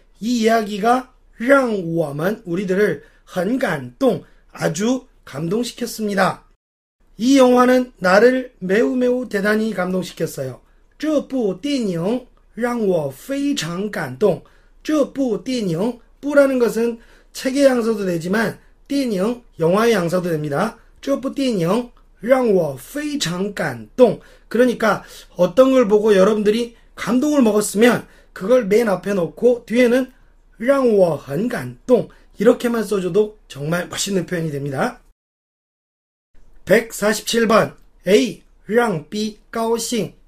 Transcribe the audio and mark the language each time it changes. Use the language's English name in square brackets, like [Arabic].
[Korean] 이 이야기가 [Chinese] 让我们 [Korean] 우리들을 [Chinese] 很感动, [Korean] 아주 감동시켰습니다. 이 영화는 나를 매우 매우 대단히 감동시켰어요. [Chinese] 这部电影让我非常感动. [Korean] 这部电影 부라는 것은 책의 양사도 되지만 电影 영화의 양사도 됩니다. [Chinese] 这部电影 让我非常感动. [Korean] 그러니까 어떤 걸 보고 여러분들이 감동을 먹었으면 그걸 맨 앞에 놓고 뒤에는 [Chinese] 让我很感动 [Korean] 이렇게만 써줘도 정말 멋있는 표현이 됩니다. 147번 A랑 B高兴.